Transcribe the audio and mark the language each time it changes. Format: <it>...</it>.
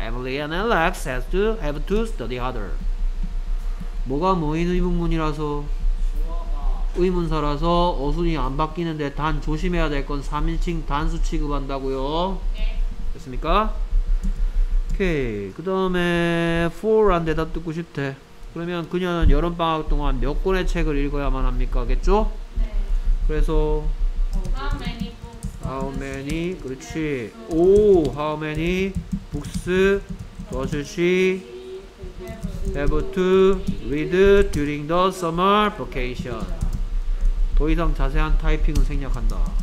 <en>Emily and Alex has to have to study harder.</en> <ko>뭐가 뭐인 의문문이라서 의문사라서 어순이 안 바뀌는데 단 조심해야 될 건 3인칭 단수 취급한다고요. 네. 됐습니까? 오케이. 그 다음에 for란 대답 듣고 싶대. 그러면 그녀는 여름방학 동안 몇 권의 책을 읽어야만 합니까? 겠죠? 네. 그래서</ko> <en>How many books? How many?</en> <ko>그렇지. 오!</ko> <en>How many books does she have to read during the summer vacation?</en> <ko>더 이상 자세한 타이핑은 생략한다.</ko>